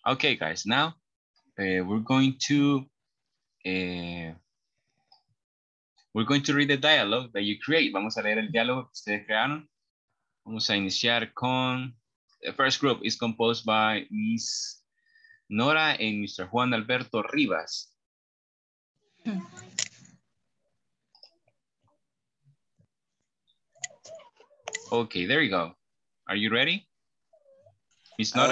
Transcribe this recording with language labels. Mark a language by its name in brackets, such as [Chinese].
[English] Okay, guys, now we're going to read the dialogue that you create. [Spanish] Vamos a leer el diálogo que ustedes crearon. Vamos a iniciar con [English] the first group is composed by Miss Nora and Mr. Juan Alberto Rivas. Okay, there you go. Are you ready? Miss Nora?